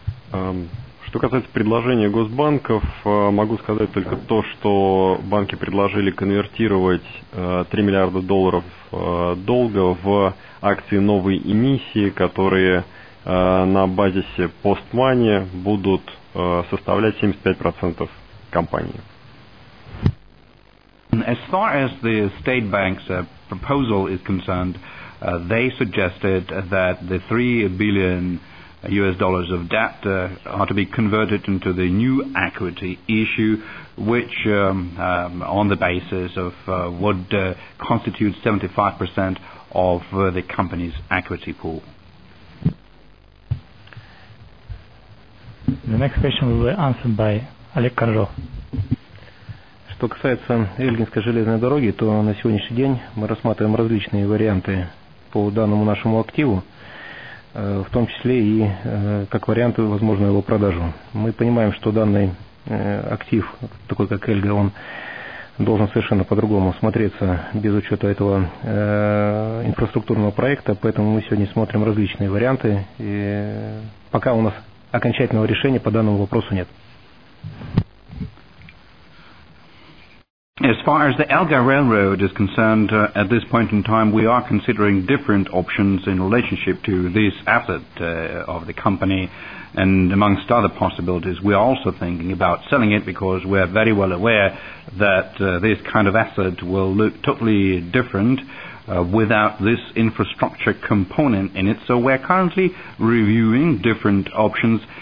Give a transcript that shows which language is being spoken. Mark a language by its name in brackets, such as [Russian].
[Russian] Что касается предложения госбанков, могу сказать только то, что банки предложили конвертировать 3 миллиарда долларов долга в акции новой эмиссии, которые на базисе постмани будут составлять 75% компании. [English] As far as the State Bank's proposal is concerned, they suggested that the $3 billion US dollars of debt are to be converted into the new equity issue, which on the basis of would constitute 75% of the company's equity pool. The next question will be answered by Олег Коржов. [Russian] Что касается Эльгинской железной дороги, то на сегодняшний день мы рассматриваем различные варианты по данному нашему активу, в том числе и как вариант возможную его продажу. Мы понимаем, что данный актив, такой как Эльга, он должен совершенно по-другому смотреться без учета этого инфраструктурного проекта, поэтому мы сегодня смотрим различные варианты. И пока у нас окончательного решения по данному вопросу нет. [English] As far as the Elga Railroad is concerned, at this point in time, we are considering different options in relationship to this asset of the company. And amongst other possibilities, we are also thinking about selling it because we are very well aware that this kind of asset will look totally different without this infrastructure component in it. So we are currently reviewing different options